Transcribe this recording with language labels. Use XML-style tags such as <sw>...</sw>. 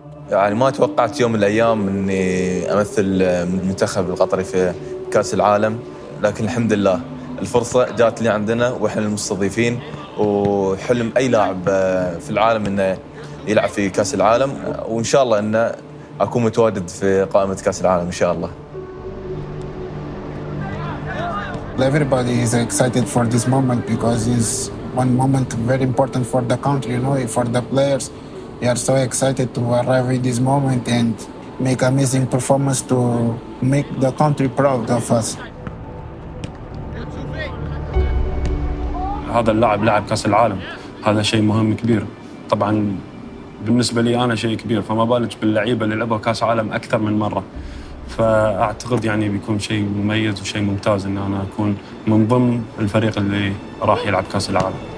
<ar>يعني ما توقعت يوم من الأيام أني أمثل المنتخب القطري في كأس العالم، لكن الحمد لله الفرصة جات لي عندنا وإحنا المستضيفين، وحلم أي لاعب في العالم أنه يلعب في كأس العالم، وإن شاء الله أنه أكون متواجد في قائمة كأس العالم إن شاء الله.</ar> <en>Everybody is excited for this moment because it's one moment very important for the country, you know, for the players. We are so excited to arrive at this moment and make amazing performance to make the country proud of us.</en> <ar>هذا اللاعب لعب كأس العالم، هذا شيء مهم كبير. طبعاً بالنسبة لي أنا شيء كبير، فما بالك باللعيبة اللي لعبوا كأس عالم أكثر من مرة. فأعتقد يعني بيكون شيء مميز وشيء ممتاز إن أنا أكون من ضمن الفريق اللي راح يلعب كأس العالم.</ar>